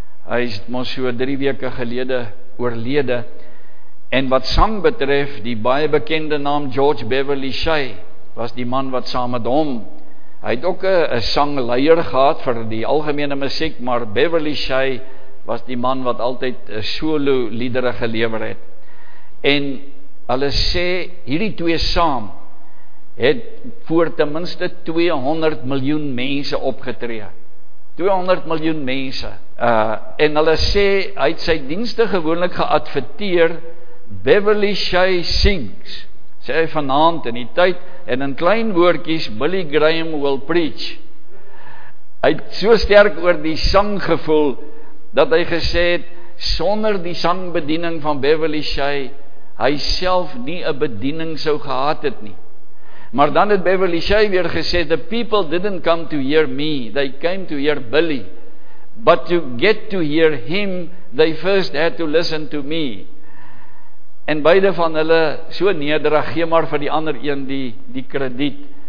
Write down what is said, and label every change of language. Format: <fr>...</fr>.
<af>Hy is mos so 3 weke gelede oorlede. En wat sang betref, die baie bekende naam George Beverly Shea was die man wat saam met hom. Hy het ook 'n sangleier gehad vir die algemene musiek, maar Beverly Shea was die man wat altyd solo liedere gelewer het. En hulle sê, hierdie twee saam het voor ten minste 200 miljoen mense opgetree. 200 miljoen mense. En hulle sê, hy het sy dienste gewoonlik geadverteer, Beverly Shea sings, sê hy vanavond in die tyd, en in klein woordjies,</af> <en>Billy Graham will preach.</en> <af>Hy het so sterk oor die sang gevoel, dat hy gesê het, sonder die sangbediening van Beverly Shea, hy self nie 'n bediening sou gehad het nie. Maar dan het Beverly Shea weer gesê,</af> <en>the people didn't come to hear me, they came to hear Billy. But to get to hear him, they first had to listen to me.</en> <af>En beide van hulle, so nederig, gee maar vir die ander een die krediet.</af>